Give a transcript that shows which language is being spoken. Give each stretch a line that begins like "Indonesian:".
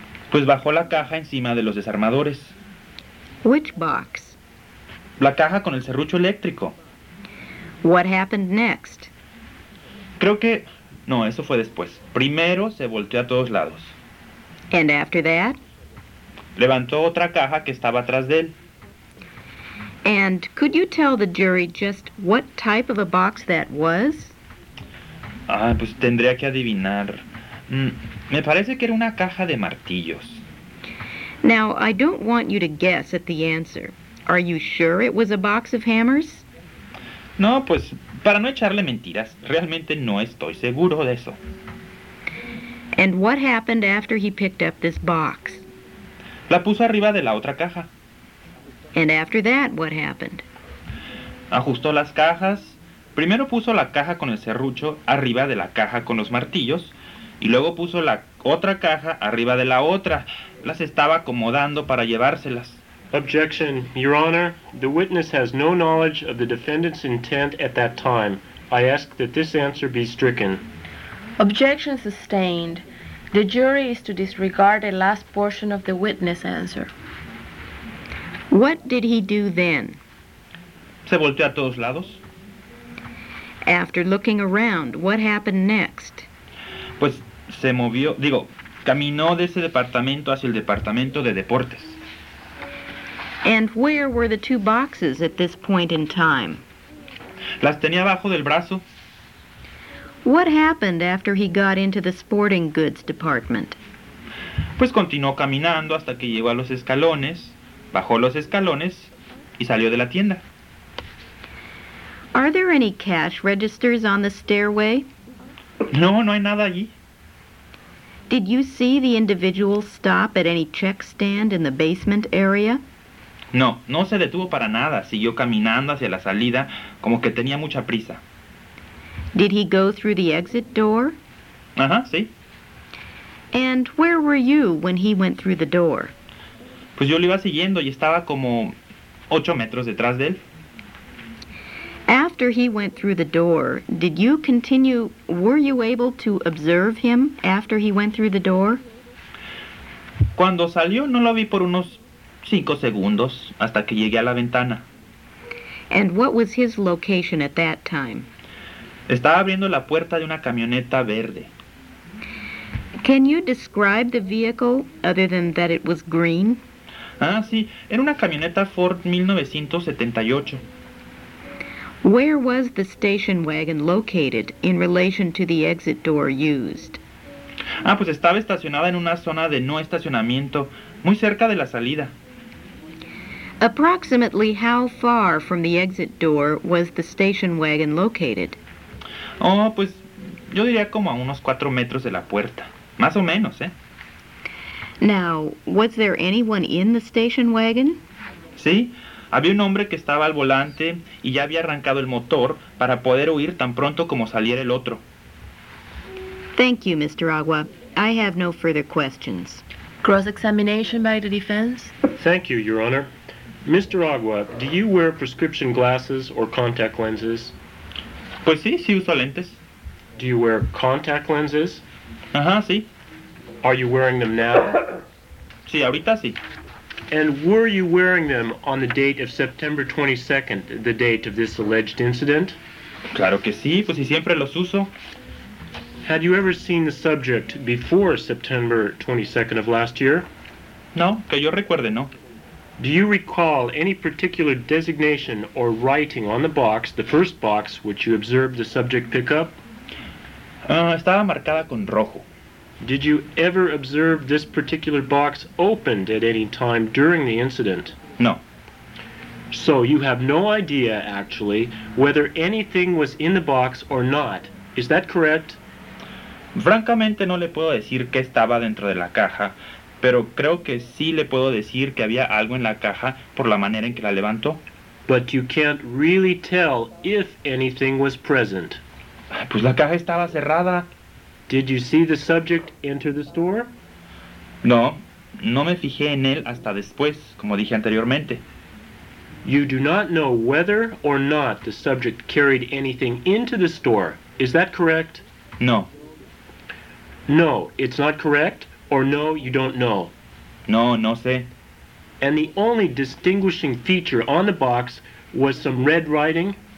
Spanish: Pues bajó la caja encima de los desarmadores.
English: Which box?
Spanish: La caja con el serrucho eléctrico.
English: What happened next?
Spanish: Creo que... No, eso fue después. Primero se volteó a todos lados.
English: And after that?
Spanish: Levantó otra caja que estaba atrás de él.
English: And could you tell the jury just what type of a box that was?
Spanish: Ah, pues tendría que adivinar. Me parece que era una caja de martillos.
English: Now, I don't want you to guess at the answer. Are you sure it was a box of hammers?
Spanish: No, pues, para no echarle mentiras, realmente no estoy seguro de eso.
English: And what happened after he picked up this box?
Spanish: La puso arriba de la otra caja.
English: And after that, what happened?
Spanish: Ajustó las cajas. Primero puso la caja con el serrucho arriba de la caja con los martillos. Y luego puso la otra caja arriba de la otra. Las estaba acomodando para llevárselas.
English: Objection, Your Honor. The witness has no knowledge of the defendant's intent at that time. I ask that this answer be stricken. Objection sustained. The jury is to disregard the last portion of the witness answer. What did he do then?
Spanish: Se volteó a todos lados.
English: After looking around, what happened next?
Spanish: Pues se movió, digo, caminó de ese departamento hacia el departamento de deportes.
English: And where were the two boxes at this point in time?
Spanish: Las tenía abajo del brazo.
English: What happened after he got into the sporting goods department?
Spanish: Pues continuó caminando hasta que llegó a los escalones, bajó los escalones y salió de la tienda.
English: Are there any cash registers on the stairway?
Spanish: No, no hay nada allí.
English: Did you see the individual stop at any check stand in the basement area?
Spanish: No, no se detuvo para nada. Siguió caminando hacia la salida, como que tenía mucha prisa.
English: Did he go through the exit door?
Spanish: Ajá, sí.
English: And where were you when he went through the door?
Spanish: Pues yo lo iba siguiendo y estaba como 8 metros detrás de él.
English: After he went through the door, did you continue, were you able to observe him after he went through the door?
Spanish: Cuando salió, no lo vi por unos 5 segundos hasta que llegué a la ventana.
English: And what was his location at that time?
Spanish: Estaba abriendo la puerta de una camioneta verde.
English: Can you describe the vehicle other than that it was green?
Spanish: Ah, sí, era una camioneta Ford 1978.
English: Where was the station wagon located in relation to the exit door used?
Spanish: Ah, pues estaba estacionada en una zona de no estacionamiento, muy cerca de la salida.
English: Approximately how far from the exit door was the station wagon located?
Spanish: Oh, pues yo diría como a unos 4 metros de la puerta, más o menos, ¿eh?
English: Now, was there anyone in the station wagon?
Spanish: Sí. Había un hombre que estaba al volante y ya había arrancado el motor para poder huir tan pronto como saliera el otro.
English: Thank you, Mr. Agua. I have no further questions. Cross-examination by the defense? Thank you, Your Honor. Mr. Agua, do you wear prescription glasses or contact lenses?
Spanish: Pues sí, sí uso lentes.
English: Do you wear contact lenses?
Spanish: Ajá, sí.
English: Are you wearing them now?
Spanish: Sí, ahorita sí.
English: And were you wearing them on the date of September 22nd, the date of this alleged incident?
Spanish: Claro que sí, pues si siempre los uso.
English: Had you ever seen the subject before September 22nd of last year?
Spanish: No, que yo recuerde, no.
English: Do you recall any particular designation or writing on the box, the first box, which you observed the subject pick up?
Spanish: Estaba marcada con rojo.
English: Did you ever observe this particular box opened at any time during the incident?
Spanish: No.
English: So you have no idea, actually, whether anything was in the box or not. Is that correct?
Spanish: Francamente, no le puedo decir qué estaba dentro de la caja, pero creo que sí le puedo decir que había algo en la caja por la manera en que la levantó.
English: But you can't really tell if anything was present.
Spanish: Pues la caja estaba cerrada.
English: Did you see the subject enter the store?
Spanish: No, no me fijé en él hasta después, como dije anteriormente.
English: You do not know whether or not the subject carried anything into the store, is that correct?
Spanish: No.
English: No, it's not correct, or no, you don't know?
Spanish: No, no sé.
English: And the only distinguishing feature on the box was some red writing?